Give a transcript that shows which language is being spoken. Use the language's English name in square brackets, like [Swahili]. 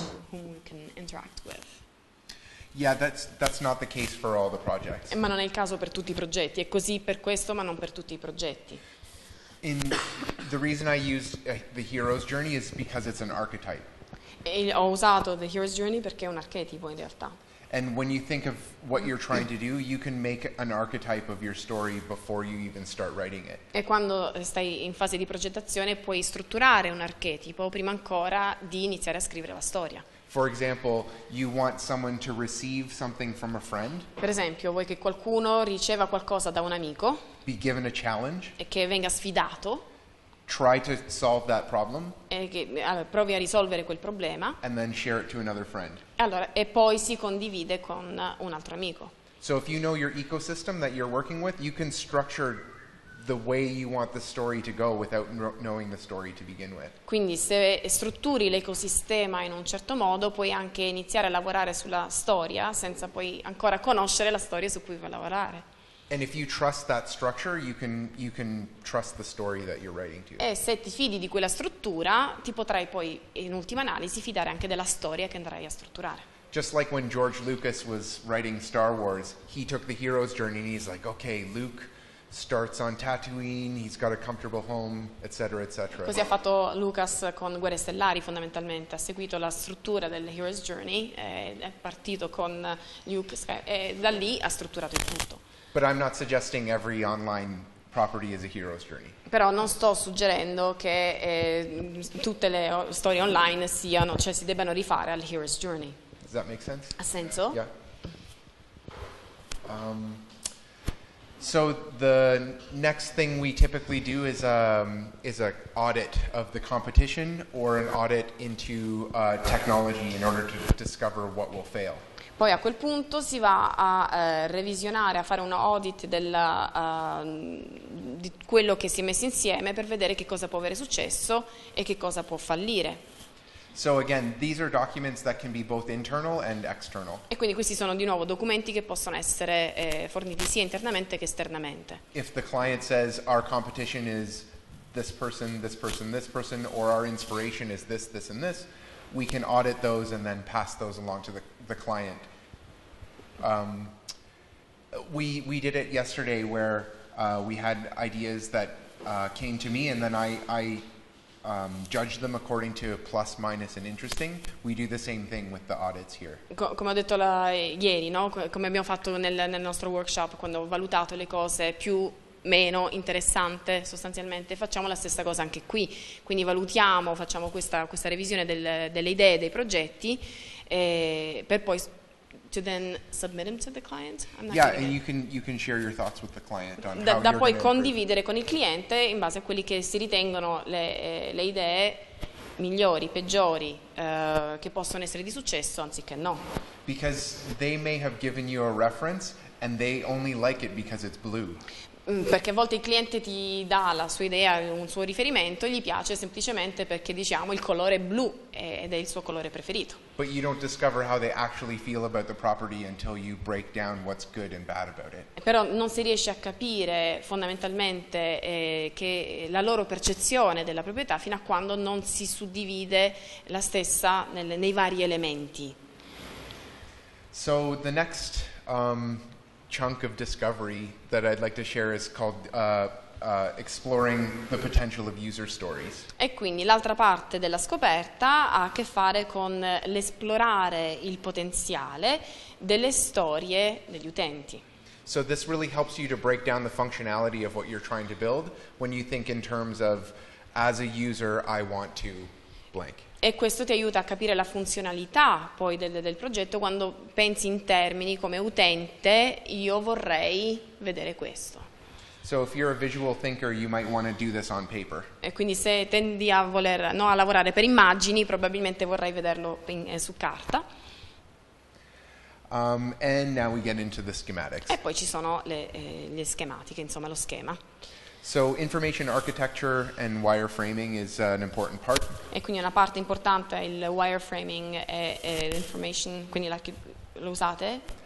[English] Whom we can interact with. Yeah, that's not the case for all the projects. [Italian] Ma non è il caso per tutti i progetti. È così per questo, ma non per tutti i progetti. [English] In the reason I used the hero's journey is because it's an archetype. [Italian] E ho usato the hero's journey perché è un archetipo in realtà. [English] And when you think of what you're trying to do, you can make an archetype of your story before you even start writing it. [Italian] E quando stai in fase di progettazione puoi strutturare un archetipo prima ancora di iniziare a scrivere la storia. [English] For example, you want someone to receive something from a friend. [Italian] Per esempio, vuoi che qualcuno riceva qualcosa da un amico? [English] Be given a challenge. [Italian] E che venga sfidato. [English] Try to solve that problem. [Italian] E che provi a risolvere quel problema. [English] And then share it to another friend. [Italian] Allora, e poi si condivide con un altro amico. [English] So if you know your ecosystem that you're working with, you can structure the way you want the story to go without knowing the story to begin with. [Italian] Quindi se strutturi l'ecosistema in un certo modo, puoi anche iniziare a lavorare sulla storia senza poi ancora conoscere la storia su cui vuoi lavorare. [English] And if you trust that structure, you can trust the story that you're writing to. [Italian] E se ti fidi di quella struttura, ti potrai poi in ultima analisi fidare anche della storia che andrai a strutturare. [English] Just like when George Lucas was writing Star Wars, he took the hero's journey and he's like, "Okay, Luke starts on Tatooine, he's got a comfortable home, etc., etc." [Italian] Così ha fatto Lucas con Guerre Stellari, fondamentalmente ha seguito la struttura del Hero's Journey, è partito con Luke e da lì ha strutturato il tutto. [English] But I'm not suggesting every online property is a hero's journey. [Italian] Però non sto suggerendo che tutte le storie online siano, cioè si debbano rifare al Hero's Journey. [English] Does that make sense? [Italian] Ha senso? [English] Yeah. So the next thing we typically do is a audit of the competition or an audit into technology in order to discover what will fail. Poi a quel punto si va a revisionare, a fare un audit della, di quello che si è messo insieme per vedere che cosa può avere successo e che cosa può fallire. So again, these are documents that can be both internal and external. E quindi questi sono di nuovo documenti che possono essere forniti sia internamente che esternamente. If the client says our competition is this person, this person, this person, or our inspiration is this, this, and this, we can audit those and then pass those along to the client. We did it yesterday where we had ideas that came to me and then I judge them according to plus, minus, and interesting. We do the same thing with the audits here. [Italian] Come ho detto ieri, no? Come abbiamo fatto nel nostro workshop, quando ho valutato le cose più, meno, interessante, sostanzialmente, facciamo la stessa cosa anche qui. Quindi valutiamo, facciamo questa revisione delle idee, dei progetti, per poi [English] to then submit them to the client. And you can share your thoughts with the client on [Italian] da, [English] how [Italian] da poi condividere con il cliente in base a quelli che si ritengono le idee migliori, peggiori, che possono essere di successo anziché no. [English] Because they may have given you a reference and they only like it because it's blue. [Italian] Perché a volte il cliente ti dà la sua idea, un suo riferimento, gli piace semplicemente perché diciamo il colore blu ed è il suo colore preferito. [English] But you don't discover how they actually feel about the property until you break down what's good and bad about it. [Italian] Però non si riesce a capire fondamentalmente che la loro percezione della proprietà fino a quando non si suddivide la stessa nei vari elementi. [English] So the next chunk of discovery that I'd like to share is called exploring the potential of user stories. [Italian] E quindi l'altra parte della scoperta ha a che fare con l'esplorare il potenziale delle storie degli utenti. [English] So this really helps you to break down the functionality of what you're trying to build when you think in terms of as a user I want to blank. [Italian] E questo ti aiuta a capire la funzionalità poi del progetto quando pensi in termini come utente, io vorrei vedere questo. [English] So if you're a visual thinker, you might want to do this on paper. [Italian] E quindi se tendi a voler, no, a lavorare per immagini, probabilmente vorrei vederlo su carta. [English] And now we get into the schematics. [Italian] E poi ci sono le schematiche, insomma lo schema. [English] So information architecture and wireframing is an important part. [Italian] E quindi una parte importante è il wireframing e l'information, quindi la, lo usate?